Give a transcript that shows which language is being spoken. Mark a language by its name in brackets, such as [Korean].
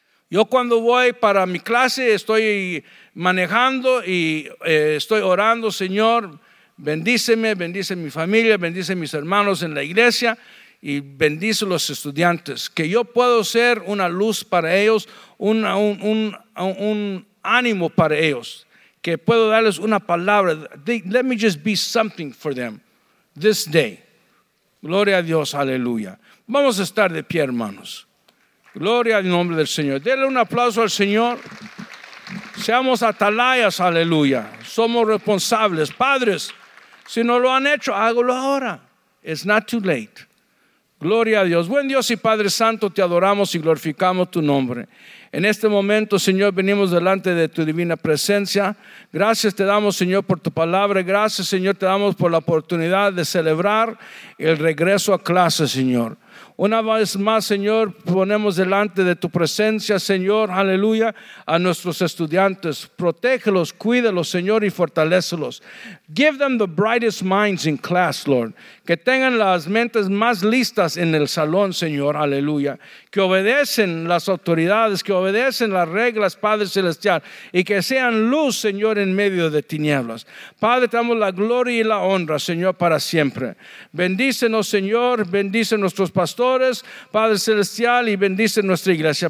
[Spanish] Yo cuando voy para mi clase, estoy manejando y estoy orando, Señor, bendíceme, bendice mi familia, bendice mis hermanos en la iglesia y bendice los estudiantes. Que yo puedo ser una luz para ellos, un ánimo para ellos, que puedo darles una palabra. [English] Let me just be something for them this day. [Spanish] Gloria a Dios, aleluya. Vamos a estar de pie, hermanos. Gloria al nombre del Señor. Denle un aplauso al Señor. Seamos atalayas, aleluya. Somos responsables. Padres, si no lo han hecho, hágalo ahora. [English] It's not too late. [Spanish] Gloria a Dios. Buen Dios y Padre Santo, te adoramos y glorificamos tu nombre. En este momento, Señor, venimos delante de tu divina presencia. Gracias te damos, Señor, por tu palabra. Gracias, Señor, te damos por la oportunidad de celebrar el regreso a clase, Señor. Una vez más, Señor, ponemos delante de tu presencia, Señor, aleluya, a nuestros estudiantes. Protégelos, cuídelos, Señor, y fortalécelos. [English] Give them the brightest minds in class, Lord. [Spanish] Que tengan las mentes más listas en el salón, Señor, aleluya. Que obedecen las autoridades, que obedecen las reglas, Padre Celestial, y que sean luz, Señor, en medio de tinieblas. Padre, te damos la gloria y la honra, Señor, para siempre. Bendícenos, Señor, bendice nuestros pastores, Padre Celestial, y bendice nuestra iglesia.